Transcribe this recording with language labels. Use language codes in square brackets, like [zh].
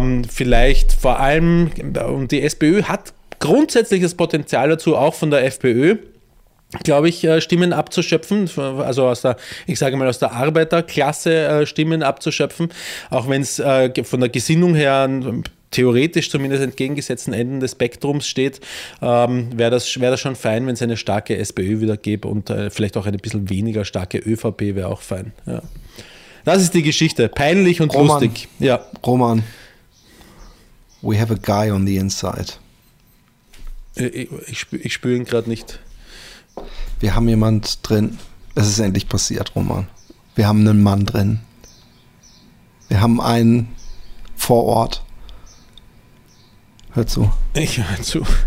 [de] Vielleicht vor allem, und die SPÖ hat grundsätzlich das Potenzial dazu, auch von der FPÖ, glaube ich, Stimmen abzuschöpfen, also aus der Arbeiterklasse Stimmen abzuschöpfen, auch wenn es von der Gesinnung her theoretisch zumindest entgegengesetzten Enden des Spektrums steht, wäre das schon fein, wenn es eine starke SPÖ wieder gäbe und vielleicht auch eine bisschen weniger starke ÖVP wäre auch fein. Ja. Das ist die Geschichte, peinlich und Roman, lustig. Ja. [en] Roman, we have a guy on the inside. [de] Ich spüre ihn gerade nicht. Wir haben jemand drin. Es ist endlich passiert, Roman. Wir haben einen Mann drin. Wir haben einen vor Ort. Hör zu. Ich hör zu.